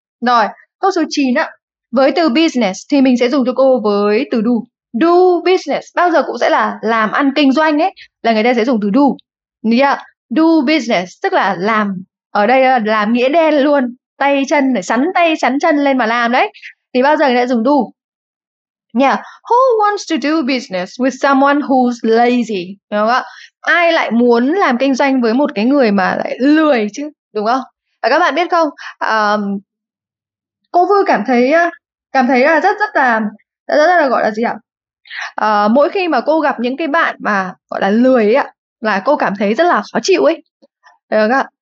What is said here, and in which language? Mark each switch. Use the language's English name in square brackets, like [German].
[Vietnamese] Rồi, câu số 9 ạ. Với từ business thì mình sẽ dùng cho cô với từ do. [English] Do business [Vietnamese] bao giờ cũng sẽ là làm ăn kinh doanh ấy, là người ta sẽ dùng từ do. [English] Do business [Vietnamese] tức là làm. Ở đây là làm nghĩa đen luôn, tay chân để sắn tay sắn chân lên mà làm đấy. Thì bao giờ người ta dùng do. [English] Who wants to do business with someone who's lazy? [Vietnamese] Đúng không ạ? Ai lại muốn làm kinh doanh với một cái người mà lại lười chứ, đúng không? Và các bạn biết không, cô vừa cảm thấy là rất là gọi là gì ạ, mỗi khi mà cô gặp những cái bạn mà gọi là lười ấy ạ, là cô cảm thấy rất là khó chịu ấy, được không ạ?